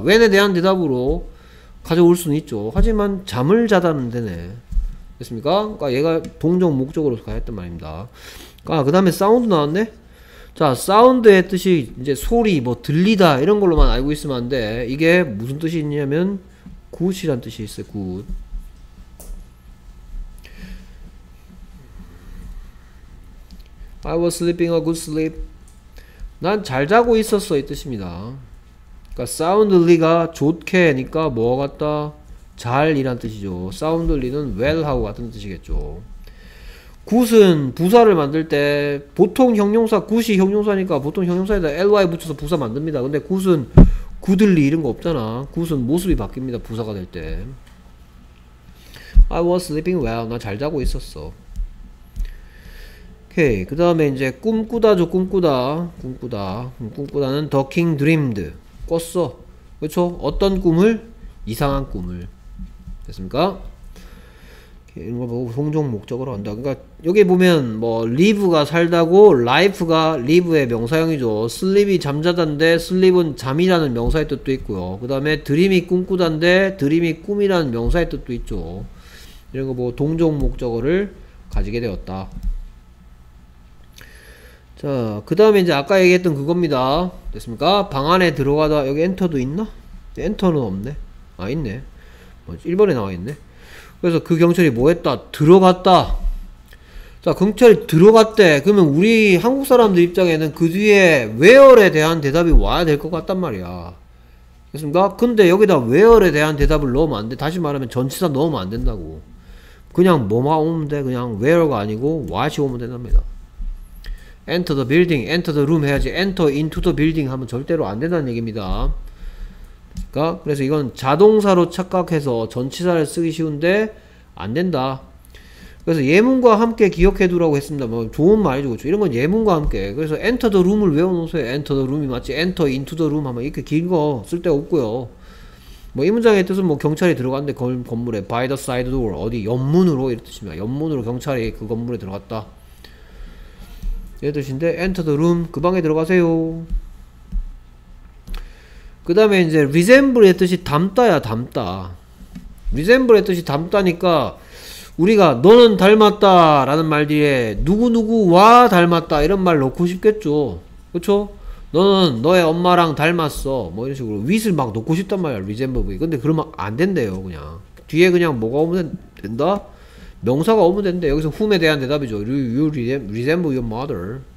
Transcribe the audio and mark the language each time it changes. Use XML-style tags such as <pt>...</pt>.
<ko>when에 대한 대답으로 가져올 수는 있죠. 하지만 잠을 자다는 되네. 됐습니까? 그러니까 얘가 동종 목적으로 가야 했던 말입니다. 아, 그 다음에 사운드 나왔네? 자, 사운드의 뜻이 이제 소리, 뭐 들리다 이런 걸로만 알고 있으면 안 돼. 이게 무슨 뜻이 있냐면 굿이란 뜻이 있어요.</ko> <en>굿. 굿. I was sleeping a good sleep.</en> <ko>난 잘 자고 있었어 이 뜻입니다. 그러니까 soundly가 좋게니까 뭐 같다? 잘이란 뜻이죠. soundly는 well하고 같은 뜻이겠죠. good은 부사를 만들 때 보통 형용사 good이 형용사니까 보통 형용사에다 ly 붙여서 부사 만듭니다. 근데 good은 goodly 이런 거 없잖아. good은 모습이 바뀝니다. 부사가 될 때.</ko> <en>I was sleeping well.</en> <ko>나 잘 자고 있었어. 오케이. 그 다음에 이제 꿈꾸다죠. 꿈꾸다. 꿈꾸다는</ko> <en>the king dreamed.</en> <ko>꿨어. 그렇죠? 어떤 꿈을? 이상한 꿈을. 됐습니까? 오케이, 이런 걸 보고 동종 목적으로 한다. 그러니까 여기 보면 뭐 live가 살다고 life가 live의 명사형이죠. sleep이 잠자다인데 sleep은 잠이라는 명사의 뜻도 있고요. 그 다음에 dream이 꿈꾸다인데 dream이 꿈이라는 명사의 뜻도 있죠. 이런 거 보고 동종 목적어를 가지게 되었다. 자, 그 다음에 이제 아까 얘기했던 그겁니다. 됐습니까? 방 안에 들어가다, 여기 엔터도 있나? 엔터는 없네. 아, 있네. 뭐, 1번에 나와있네. 그래서 그 경찰이 뭐 했다? 들어갔다. 자, 경찰이 들어갔대. 그러면 우리 한국 사람들 입장에는 그 뒤에 where에 대한 대답이 와야 될 것 같단 말이야. 됐습니까? 근데 여기다 where에 대한 대답을 넣으면 안 돼. 다시 말하면 전치사 넣으면 안 된다고. 그냥 뭐만 오면 돼. 그냥 where가 아니고 what이 오면 된답니다.</ko> <en>enter the building, enter the room</en> <ko>해야지</ko> <en>enter into the building</en> <ko>하면 절대로 안 된다는 얘기입니다. 그러니까 그래서 이건 자동사로 착각해서 전치사를 쓰기 쉬운데 안 된다. 그래서 예문과 함께 기억해 두라고 했습니다. 뭐 좋은 말이죠. 그렇죠? 이런 건 예문과 함께. 그래서 enter the room을 외워놓으세요. enter the room이 맞지</ko> <en>enter into the room</en> <ko>하면 이렇게 긴 거 쓸데가 없고요. 뭐 이 문장의 뜻은 뭐 경찰이 들어갔는데 건물에</ko> <en>by the side door</en> <ko>어디 옆문으로 이렇듯이 옆문으로 경찰이 그 건물에 들어갔다. 이 뜻인데 enter the room 그 방에 들어가세요. 그 다음에 이제 resemble의 뜻이 닮다야 닮다. resemble의 뜻이 닮다니까 우리가 너는 닮았다 라는 말 뒤에 누구누구와 닮았다 이런 말 넣고 싶겠죠. 그쵸? 너는 너의 엄마랑 닮았어 뭐 이런 식으로 with을 막 넣고 싶단 말이야 resemble. 근데 그러면 안 된대요. 그냥 뒤에 그냥 뭐가 오면 된다? 명사가 오면 된대. 여기서 whom에 대한 대답이죠.</ko> <en>You resemble your mother.</en>